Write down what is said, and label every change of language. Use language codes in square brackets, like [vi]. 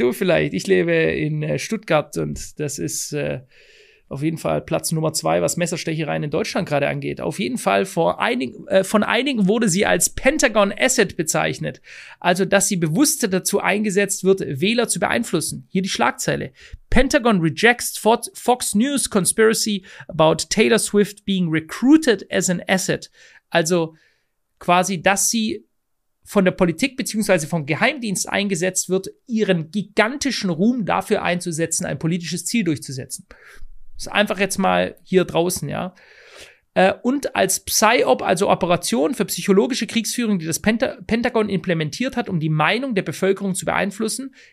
[de] Ich lebe in Stuttgart und das ist auf jeden Fall Platz Nummer 2, was Messerstechereien in Deutschland gerade angeht. Auf jeden Fall, von einigen wurde sie als Pentagon Asset bezeichnet. Also, dass sie bewusst dazu eingesetzt wird, Wähler zu beeinflussen. Hier die Schlagzeile. [en] Pentagon rejects Fox News conspiracy about Taylor Swift being recruited as an asset. [de] Also, quasi, dass sie von der Politik bzw. vom Geheimdienst eingesetzt wird, ihren gigantischen Ruhm dafür einzusetzen, ein politisches Ziel durchzusetzen. Das ist einfach jetzt mal hier draußen, ja. Und als Psy-Op, also Operation für psychologische Kriegsführung, die das Pentagon implementiert hat, um die Meinung der Bevölkerung zu beeinflussen.